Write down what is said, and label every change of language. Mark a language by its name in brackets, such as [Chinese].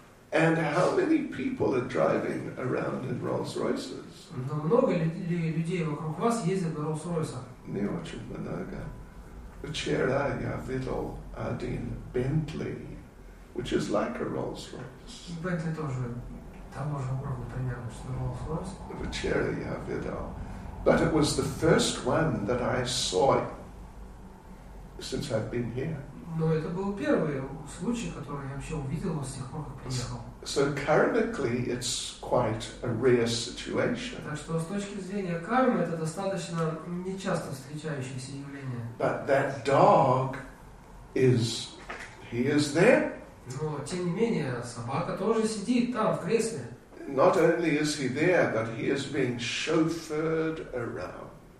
[English] And how many people are driving around in Rolls-Royces? [Russian] Но много ли людей вокруг вас ездят на Rolls-Royce'ах? Не очень много. Вчера я видел один Bentley, [English] which is like a Rolls-Royce. [Russian] Bentley тоже того же уровня примерно, что Rolls-Royce. Вчера я видел. [English] But it was the first one that I saw since I've been here. [Russian] Но это был первый случай, который я вообще увидел с тех пор, как приехал. [English] So karmically, it's quite a rare situation. [Russian] Так что с точки зрения кармы это достаточно нечасто встречающееся явление. [English] But that dog is there. [Russian] Но тем не менее собака тоже сидит там в кресле. [English] Not only is he there, but he is being chauffeured around.